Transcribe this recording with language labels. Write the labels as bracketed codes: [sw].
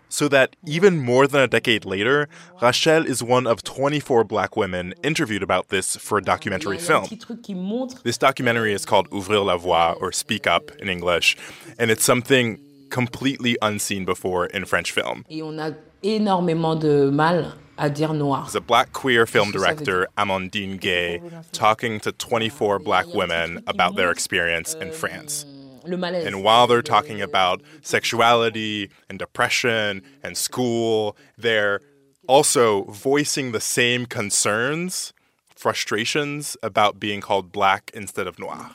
[en] So that even more than a decade later, Rachel is one of 24 black women interviewed about this for a documentary film. This documentary is called Ouvrir la Voix, or Speak Up in English, and it's something completely unseen before in French film. [fr] Et on a énormément de mal à dire noir. [en] As a black queer film director, Amandine Gay, talking to 24 black women about their experience in France. And while they're talking about sexuality and depression and school, they're also voicing the same concerns, frustrations about being called black instead of noir.